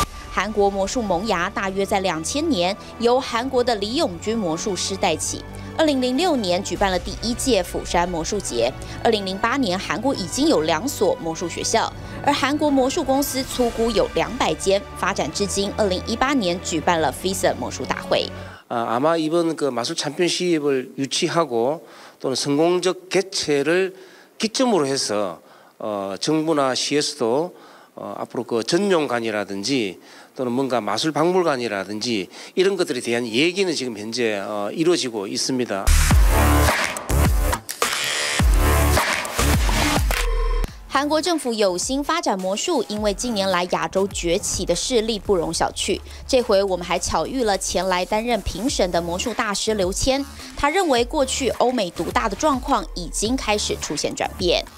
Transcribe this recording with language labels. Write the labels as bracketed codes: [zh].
[zh] 韩国魔术萌芽大约在2000年，由韩国的李永军魔术师带起。 2006年举办了第一届釜山魔术节。2008年，韩国已经有2所魔术学校，而韩国魔术公司粗估有200间。发展至今，2018年举办了 FISA 魔术大会。 [ko] 아마이번그마술챔피언십을유치하고또는성공적개최를기점으로해서정부나 CS 도앞으로그전용관이라든지또는뭔가마술박물관이라든지이런것들에대한얘기는지금현재이루어지고있습니다 [zh] 韩国政府有心发展魔术，因为近年来亚洲崛起的势力不容小觑。这回我们还巧遇了前来担任评审的魔术大师刘谦，他认为过去欧美独大的状况已经开始出现转变。